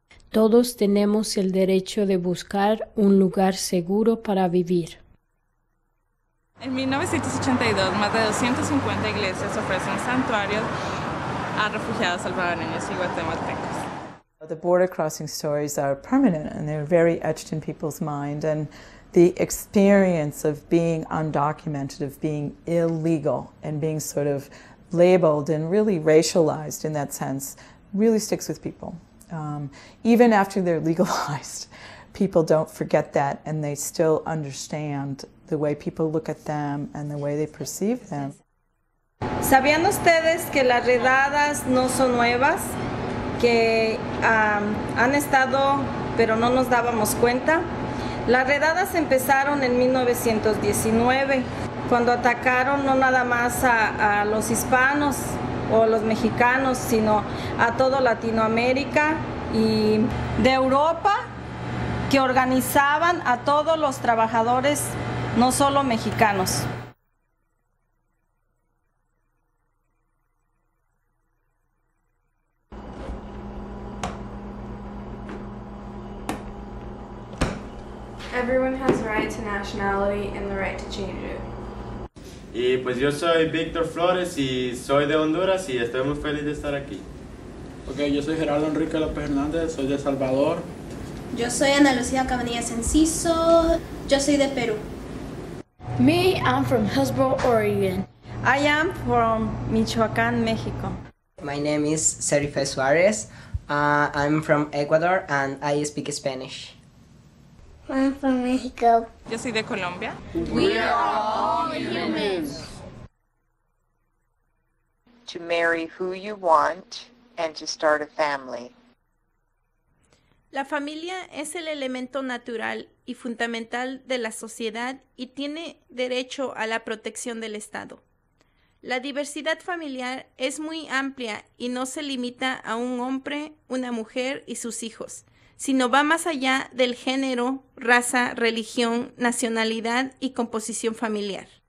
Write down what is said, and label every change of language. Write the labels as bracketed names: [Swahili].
[Spanish] Todos tenemos el derecho de buscar un lugar seguro para vivir. En 1982, más de 250 iglesias ofrecen santuarios a refugiados salvadoreños y guatemaltecos. [English] The border crossing stories are permanent and they're very etched in people's mind. And the experience of being undocumented, of being illegal and being sort of labeled and really racialized in that sense, really sticks with people. Even after they're legalized, people don't forget that and they still understand the way people look at them and the way they perceive them. [Spanish] ¿Sabían ustedes que las redadas no son nuevas? Que han estado, pero no nos dábamos cuenta. Las redadas empezaron en 1919, cuando atacaron no nada más a los hispanos o los mexicanos, sino a todo Latinoamérica y de Europa, que organizaban a todos los trabajadores, no solo mexicanos. [English] Everyone has a right to nationality and the right to change it. [Spanish] Y pues yo soy Víctor Flores y soy de Honduras y estoy muy feliz de estar aquí. Ok, yo soy Gerardo Enrique López Hernández, soy de Salvador. Yo soy Ana Lucía Cabanillas Enciso, yo soy de Perú. [English] Me, I'm from Hillsboro, Oregon. I am from Michoacán, México. My name is Seryfe Suarez, I'm from Ecuador and I speak Spanish. I'm from Mexico. [Spanish] Yo soy de Colombia. [English] We are all humans. To marry who you want and to start a family. [Spanish] La familia es el elemento natural y fundamental de la sociedad y tiene derecho a la protección del Estado. La diversidad familiar es muy amplia y no se limita a un hombre, una mujer y sus hijos, sino va más allá del género, raza, religión, nacionalidad y composición familiar.